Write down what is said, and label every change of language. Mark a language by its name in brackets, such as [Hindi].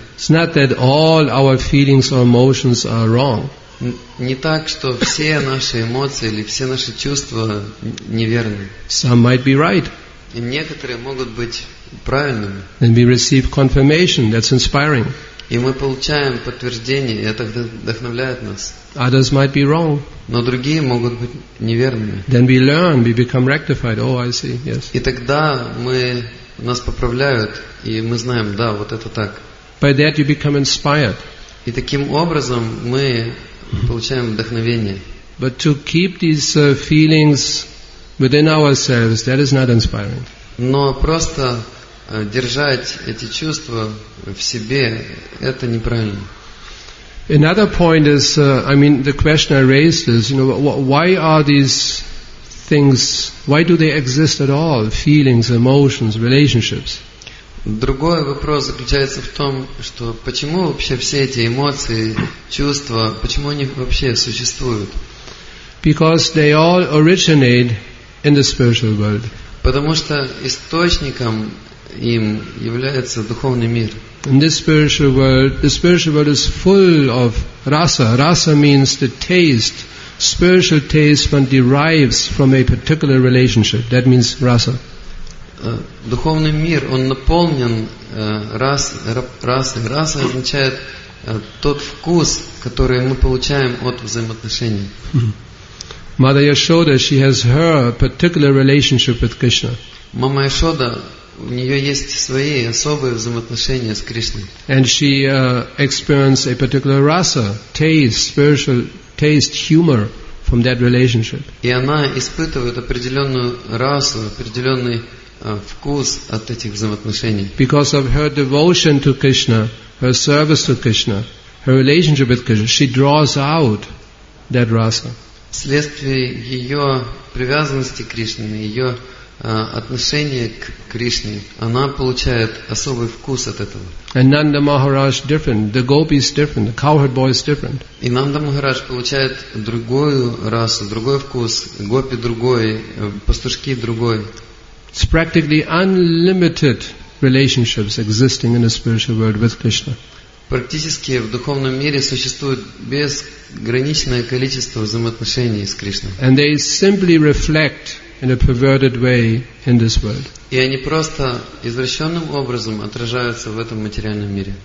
[English] It's not that all our feelings or emotions are wrong. [Russian] Не так, что все наши эмоции или все наши чувства неверны. [English] Some might be right. [Russian] И некоторые могут быть правильными. [English] And we receive confirmation. That's inspiring. [Russian] И мы получаем подтверждение, и это вдохновляет нас. [English] Others might be wrong. [Russian] Но другие могут быть неверными. [English] Then we learn, we become rectified. Oh, I see. Yes. [Russian] И тогда мы нас поправляют, и мы знаем, да, вот это так. [English] By that you become inspired. [Russian] И таким образом мы получаем вдохновение. [English] But to keep these feelings within ourselves, that is not inspiring. [Russian] Но просто держать эти чувства в себе, это неправильно. [English] Another point is, I mean, the question I raised is, you know, why are these things, why do they exist at all? Feelings, emotions, relationships. [Russian] Другой вопрос заключается в том, что почему вообще все эти эмоции, чувства, почему они вообще существуют? [English] Because they all originate in the spiritual world. [Russian] Потому что источником им является духовный мир. [English] In the spiritual world is full of rasa. Rasa means the taste spiritual taste one derives from a particular relationship. That means rasa. [Russian] Духовный мир, он наполнен расой. Раса означает тот вкус, который мы получаем от взаимоотношений. [English] Mother Yashoda, she has her particular relationship with Krishna. [Russian] Мама Яшода, у нее есть свои особые взаимоотношения с Кришной. [English] And she experienced a particular rasa, taste, spiritual taste, humor from that relationship. [Russian] И она испытывает определенную расу, определенный вкус от этих взаимоотношений. [English] Because of her devotion to Krishna, her service to Krishna, her relationship with Krishna, she draws out that rasa. [Russian] Вследствие ее привязанности к Кришне, ее отношения к Кришне, она получает особый вкус от этого. [English] And Nanda Maharaj different, the gopis different, the cowherd boys different. [Russian] И Нанда Махарадж получает другую расу, другой вкус, гопи другой, пастушки другой. [English] It's practically unlimited relationships existing in the spiritual world with Krishna. [Russian] Практически в духовном мире существует безграничное количество взаимоотношений с Кришной. [English] And they simply reflect in a perverted way in this world. [Russian] И они просто извращенным образом отражаются в этом материальном мире.